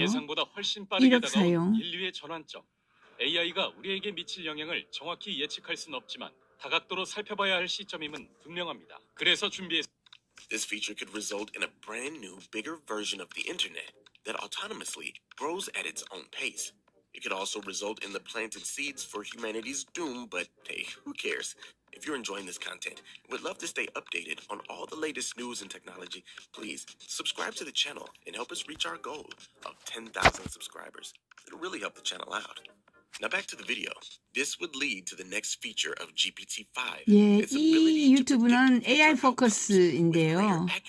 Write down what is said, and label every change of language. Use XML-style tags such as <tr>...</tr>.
<ko>예상보다 훨씬 빠르게 다가온 인류의 전환점. AI가 우리에게 미칠 영향을 정확히 예측할 순 없지만 다각도로 살펴봐야 할 시점임은 분명합니다. 그래서 준비했...</ko> <en>This feature could result in a brand new, bigger version of the internet that autonomously grows at its own pace. It could also result in the planted seeds for humanity's doom, but hey, who cares? If you're enjoying this content, would love to stay updated on all the latest news and technology, please subscribe to the channel and help us reach our goal of 10,000 subscribers. It'll really help the channel out. Now back to the video. This would lead to the next feature of GPT-5.</en> <ko>예, 이 유튜브는 AI 포커스인데요.</ko>